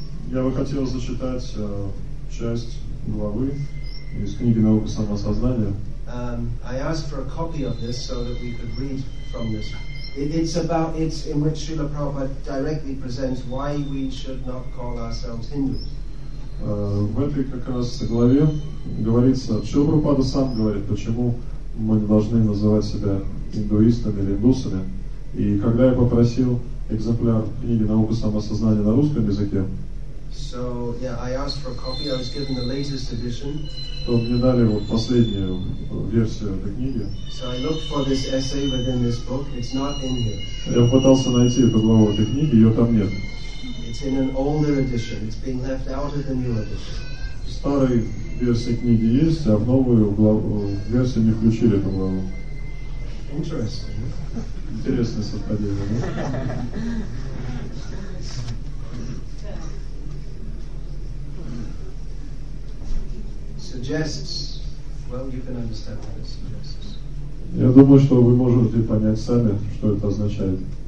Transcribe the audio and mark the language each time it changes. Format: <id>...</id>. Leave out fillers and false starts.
<ru>Я бы хотел зачитать часть главы из книги «Наука самосознания».</ru> <en>I asked for a copy of this so that we could read from this. It's in which Srila Prabhupada directly presents why we should not call ourselves Hindus.</en> <ru>В этой как раз главе говорится, Шрила Прабхупада сам говорит, почему мы не должны называть себя индуистами или индусами. И когда я попросил экземпляр книги «Наука самосознания» на русском языке,</ru> <en>so, yeah, I asked for a copy. I was given the latest edition.</en> <ru>То мне дали вот последнюю версию этой книги.</ru> <en>So I looked for this essay within this book. It's not in here.</en> <ru>Я пытался найти эту главу этой книги, ее там нет.</ru> <en>It's in an older edition. It's being left out of the new edition.</en> <ru>Старой версии книги есть, а в новую версию не включили эту главу.</ru> <en>Interesting.</en> <ru>Интересное совпадение, да?</ru> <en>Suggests. Well, you can understand what it suggests.</en> <ru>Я думаю, что вы можете понять сами, что это означает.</ru>